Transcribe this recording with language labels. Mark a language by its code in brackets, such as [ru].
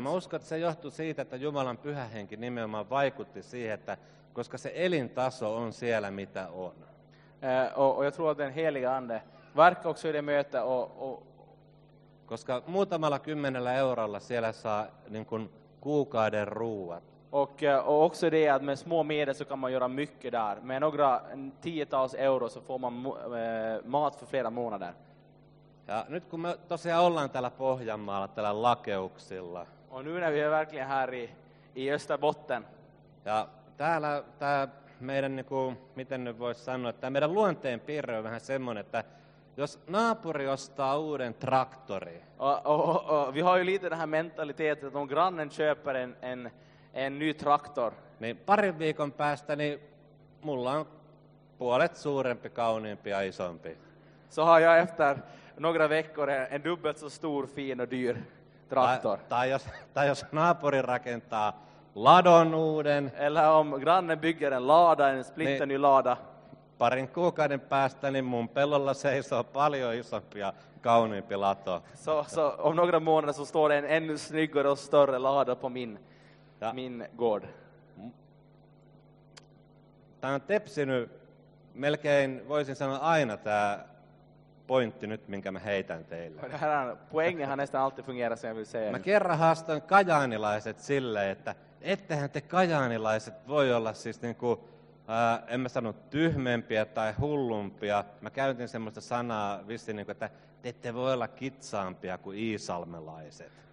[fi] mä uskon, että se johtui siitä, että Jumalan pyhä henki nimenomaan vaikutti siihen, että koska se elintaso on siellä, mitä on. [sv] Och jag tror att den heliga ande verkar också i det möte och [fi] koska muutamalla 10 € siellä saa niin kuin kuukauden ruuat. [sv] Och också det att med små medel så kan man göra mycket där. Med några tiotals euro så får man mat för flera månader. [fi] Ja nyt kun me tosiaan ollaan täällä Pohjanmaalla täällä Lakeuksilla. [sv] On nu när vi är verkligen här i Österbotten. [fi] Ja täällä tää meidän niin kuin, miten nyt voisi sanoa, että meidän luonteen piirre on vähän semmoinen, että Jos naapuri ostaa uuden traktori. [sv] Vi har ju lite den här mentaliteten att om grannen köper en ny traktor. [fi] Niin parin viikon päästä niin mulla on puolet suurempi, kauniimpi ja isompi. [sv] Så har jag efter några veckor en dubbelt så stor, fin och dyr traktor. [fi] Tai jos naapuri rakentaa ladon uuden. [sv] Eller om grannen bygger en lada, en splitten ny lada. [fi] Parin kuukauden päästä niin mun pellolla seisoo paljon isompi ja kauniimpi lato. [sv] Så om några månader så står det en ännu snyggare och större lada på min gård. [fi] Tämä on tepsinyt melkein, voisin sanoa, aina tämä pointti nyt, minkä mä heitän teille. [sv] Poängenhan näistä alltid fungerar, som jag vill säga. [fi] Mä kerran haastan kajaanilaiset silleen, että ettehän te kajaanilaiset voi olla siis niinku, en mä sano tyhmempiä tai hullumpia. Mä käytin semmoista sanaa vissiin, niinku, että te ette voi olla kitsaampia kuin iisalmelaiset.